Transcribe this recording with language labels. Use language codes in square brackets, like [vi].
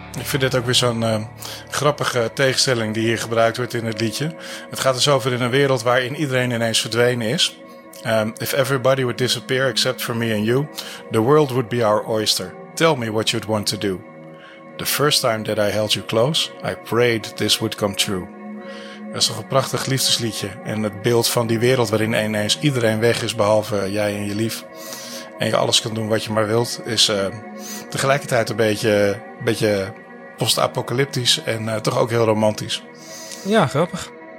[nl] vind dit ook weer zo'n grappige tegenstelling die hier gebruikt wordt in het liedje. Het gaat dus over in een wereld waarin iedereen ineens verdwenen is. [en] If everybody would disappear except for me and you, the world would be our oyster. Tell me what you'd want to do. The first time that I held you close, I prayed this would come true. [nl] Dat is toch een prachtig liefdesliedje. En het beeld van die wereld waarin ineens iedereen weg is behalve jij en je lief. En je alles kan doen wat je maar wilt. Is tegelijkertijd een beetje post-apocalyptisch en toch ook heel romantisch. Ja, grappig.